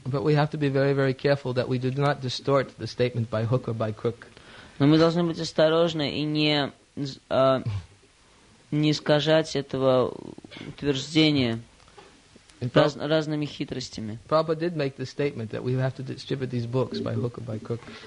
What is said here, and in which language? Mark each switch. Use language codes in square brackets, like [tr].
[en] But we have to be very, very careful that we do not distort the statement by hook or by crook. [ru] Но мы должны быть осторожны и не искажать этого утверждения. Разными хитростями. [en] Prabhupada did make the statement that we have to distribute these books by hook or by crook.